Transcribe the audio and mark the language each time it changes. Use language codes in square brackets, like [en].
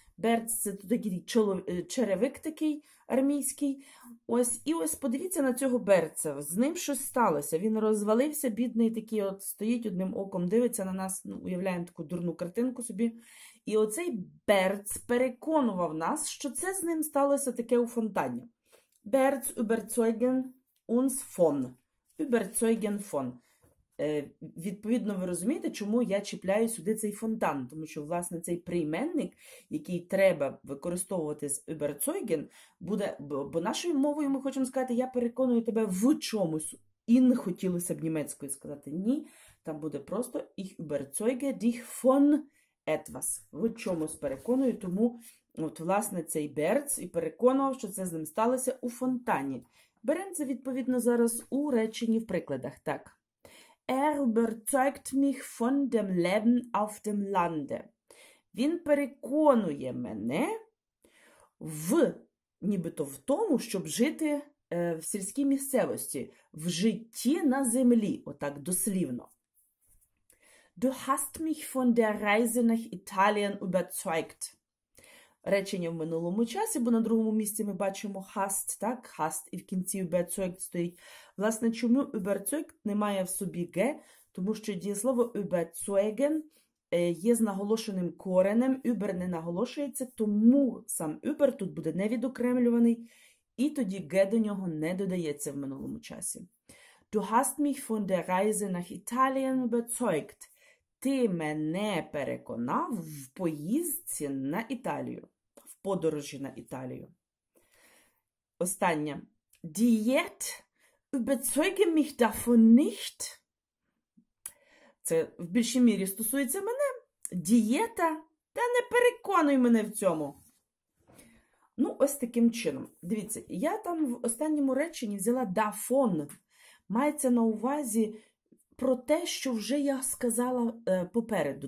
[uk] Берц – це такий черевик такий армійський. Ось, і ось подивіться на цього берца. З ним щось сталося. Він розвалився, бідний такий, от стоїть одним оком, дивиться на нас. Ну, уявляємо таку дурну картинку собі. І оцей берц переконував нас, що це з ним сталося таке у фонтані. [de] Берц überzeugen uns von. Überzeugen von. [uk] Відповідно, ви розумієте, чому я чіпляю сюди цей фонтан? Тому що, власне, цей прийменник, який треба використовувати з überzeugen, буде, бо нашою мовою ми хочемо сказати, я переконую тебе в чомусь. І не хотілося б німецькою сказати ні. Там буде просто [de] ich überzeuge dich von etwas. [uk] В чомусь переконую, тому, от, власне, цей Берц і переконував, що це з ним сталося у фонтані. Беремо це, відповідно, зараз у реченні в прикладах. Так. [de] Überzeugt mich von dem Leben auf dem Lande. [uk] Він переконує мене в, нібито в тому, щоб жити в сільській місцевості, в житті на землі, отак дослівно. [de] Du hast mich von der Reise nach Italien überzeugt. [uk] Речення в минулому часі, бо на другому місці ми бачимо hast, так? Hast, і в кінці überzeugt стоїть. Власне, чому überzeugt не має в собі г? Тому що дієслово überzeugen є з наголошеним коренем, über не наголошується, тому сам über тут буде не відокремлюваний, і тоді г до нього не додається в минулому часі. [de] Du hast mich von der Reise nach Italien überzeugt. [uk] Ти мене переконав в поїздці на Італію, в подорожі на Італію. Останнє. [de] Diät überzeuge mich davon nicht. [uk] Це в більшій мірі стосується мене. Дієта? Та не переконуй мене в цьому. Ну, ось таким чином. Дивіться, я там в останньому реченні взяла davon. Мається на увазі про те, що вже я сказала попереду.